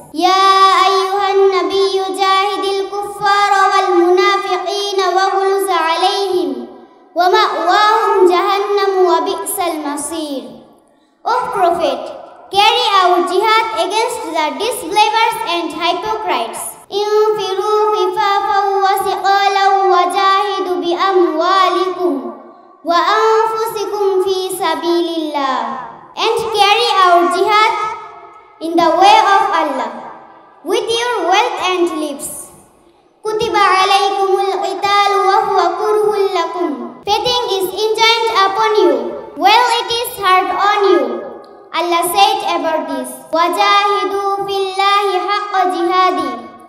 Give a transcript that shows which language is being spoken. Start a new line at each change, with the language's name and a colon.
Arabic: يَا أَيُّهَا النَّبِيُّ جَاهِدِ الْكُفَّارَ وَالْمُنَافِقِينَ وَاغْلُظْ عَلَيْهِمْ وَمَأْوَاهُمْ جَهَنَّمُ وَبِئْسَ الْمَصِيرُ.
English: O Prophet, carry out jihad against the disbelievers and hypocrites.
Arabic: انفروا خفافا وثقالا وجاهدوا بأموالكم وأنفسكم في سبيل الله.
English: And carry out jihad in the way of Allah with your wealth and lives.
Arabic: كتب عليكم القتال وهو كره لكم.
English: Fighting is enjoined upon you while it is hard on you. Allah said about this,
Arabic: وجاهدوا في الله حق جهاده.